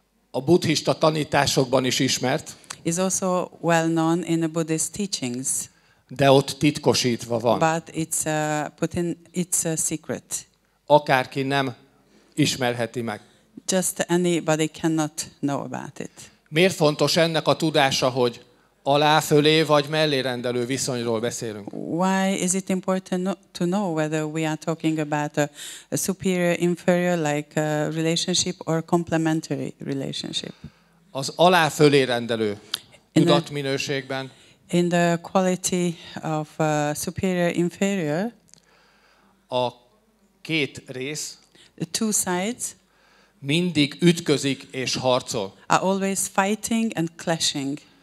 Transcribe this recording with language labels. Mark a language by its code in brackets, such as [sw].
[hu] a buddhista tanításokban is ismert. [en] Is also well known in the Buddhist teachings. [hu] De ott titkosítva van. [en] But it's put in, it's a secret. [hu] Akárki nem ismerheti meg. [en] Just anybody cannot know about it. [hu] Miért fontos ennek a tudása, hogy alá fölé vagy mellé rendelő viszonyról beszélünk? [en] Why is it important to know whether we are talking about a superior inferior like relationship or complementary relationship? [hu] Az alá fölé rendelő tudat minőségben. [en] In the quality of superior inferior. [hu] A két rész. [en] The two sides. [hu] Mindig ütközik és harcol. [en] Are always fighting and clashing.